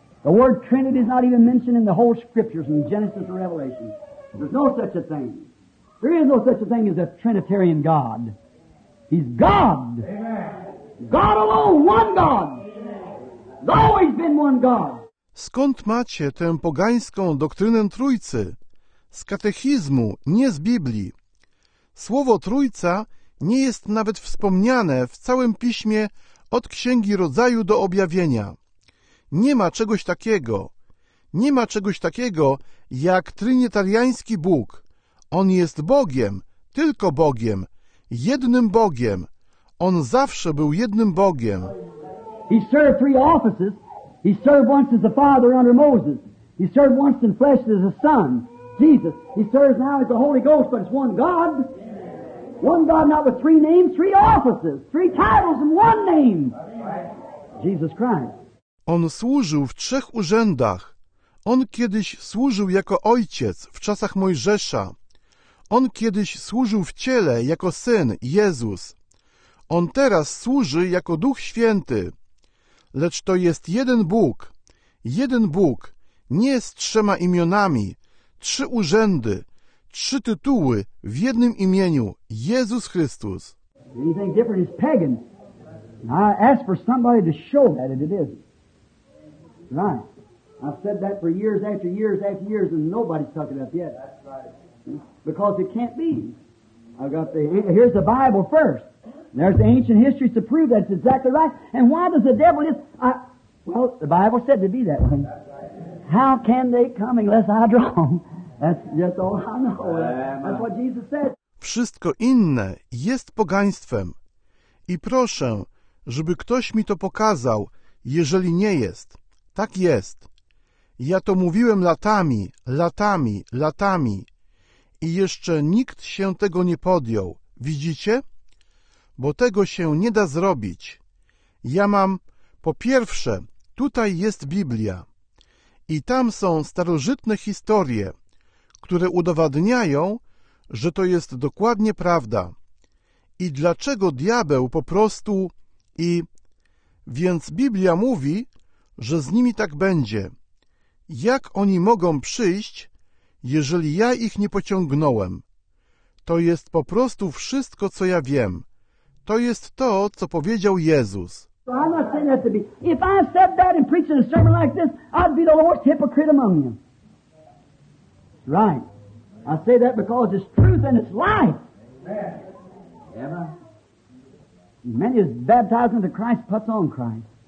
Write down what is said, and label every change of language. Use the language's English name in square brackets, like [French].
[English] The word Trinity is not even mentioned in the whole scriptures in Genesis or Revelation. There's no such a thing. There is no such a thing as a Trinitarian God. He's God. Amen. God alone, one God. There's always been one God. [Polish] Skąd macie tę pogańską doktrynę Trójcy? Z katechizmu, nie z Biblii. Słowo Trójca nie jest nawet wspomniane w całym piśmie od Księgi Rodzaju do Objawienia. Nie ma czegoś takiego. Nie ma czegoś takiego jak trynitariański Bóg. On jest Bogiem, tylko Bogiem, jednym Bogiem. On zawsze był jednym Bogiem. [English] He served three offices. He served once as the Father under Moses. He served once in flesh as the Son, Jesus. He serves now as the Holy Ghost, but it's one God. One God, not with three names, three offices, three titles and one name. Jesus Christ. [Polish] On służył w trzech urzędach. On kiedyś służył jako Ojciec w czasach Mojżesza. On kiedyś służył w ciele jako Syn, Jezus. On teraz służy jako Duch Święty. Lecz to jest jeden Bóg. Jeden Bóg, nie z trzema imionami. Trzy urzędy, trzy tytuły w jednym imieniu, Jezus Chrystus. [English] Anything different is pagan. I ask for somebody to show that it is. Right. I've said that for years after years after years and nobody's talking about it yet. That's right. Because it can't be. I've got the, here's the Bible first. There's the ancient history to prove that it's exactly right. And why does the devil just, well, the Bible said to be that way. That's right. How can they come unless I draw them? That's just all I know. That's what Jesus said. [Polish] Wszystko inne jest pogaństwem. I proszę, żeby ktoś mi to pokazał, jeżeli nie jest. Tak jest. Ja to mówiłem latami, latami, latami. I jeszcze nikt się tego nie podjął. Widzicie? Bo tego się nie da zrobić. Ja mam, po pierwsze, tutaj jest Biblia. I tam są starożytne historie, które udowadniają, że to jest dokładnie prawda. I dlaczego diabeł po prostu i... Więc Biblia mówi, że z nimi tak będzie. Jak oni mogą przyjść, jeżeli ja ich nie pociągnąłem? To jest po prostu wszystko, co ja wiem. To jest to, co powiedział Jezus. [English] I'm not saying that to be. If I said that and preached a sermon like this, I'd be the worst hypocrite among you. Right. I say that because it's truth and it's life. Amen. Many is baptized into Christ, puts on Christ.